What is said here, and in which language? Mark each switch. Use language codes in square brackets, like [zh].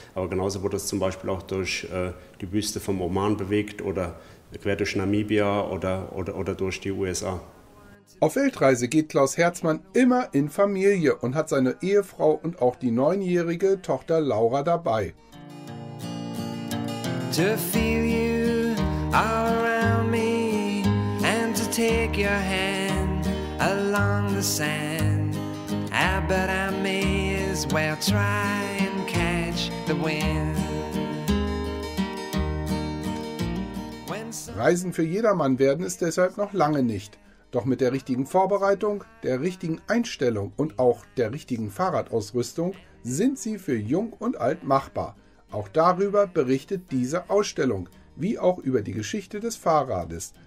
[de] Aber genauso wurde es zum Beispiel auch durch die Wüste vom Oman bewegt oder quer durch Namibia oder durch die USA. Auf Weltreise geht Klaus Herzmann immer in Familie und hat seine Ehefrau und auch die 9-jährige Tochter Laura dabei. [en] To feel you all around me and to take your hand along the sand. I bet I may as well try and catch the wind. [de] Reisen für jedermann werden es deshalb noch lange nicht. Doch mit der richtigen Vorbereitung, der richtigen Einstellung und auch der richtigen Fahrradausrüstung sind sie für Jung und Alt machbar. Auch darüber berichtet diese Ausstellung, wie auch über die Geschichte des Fahrrades.